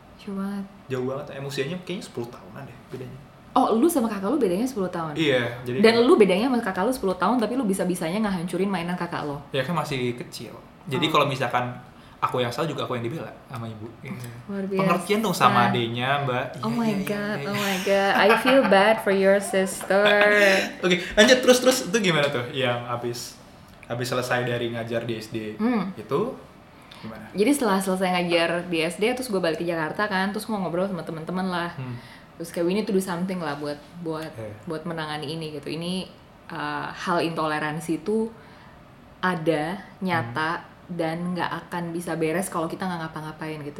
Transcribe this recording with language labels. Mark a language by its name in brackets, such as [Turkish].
[Indonesian] Lucu banget. Jauh banget, emosinya kayaknya 10 tahunan deh bedanya. Oh, lu sama kakak lu bedanya 10 tahun? Iya, jadi... Dan lu bedanya sama kakak lu 10 tahun, tapi lu bisa-bisanya ngehancurin mainan kakak lu. Ya, kan masih kecil. Jadi kalau misalkan aku yang salah, juga aku yang dibela sama ibu. Luar biasa. Pengertian dong sama adenya, mbak. [English] Oh my God. I feel bad for your sister. [Indonesian] Oke, lanjut. Terus-terus, itu gimana tuh? Yang abis selesai dari ngajar di SD itu... Gimana? Jadi setelah selesai ngajar di SD, terus gue balik ke Jakarta kan, terus gue ngobrol sama teman-teman lah. Terus kayak, [English] we need to do something [Indonesian] lah buat menangani ini gitu. Ini hal intoleransi itu ada, nyata, dan gak akan bisa beres kalau kita gak ngapa-ngapain gitu.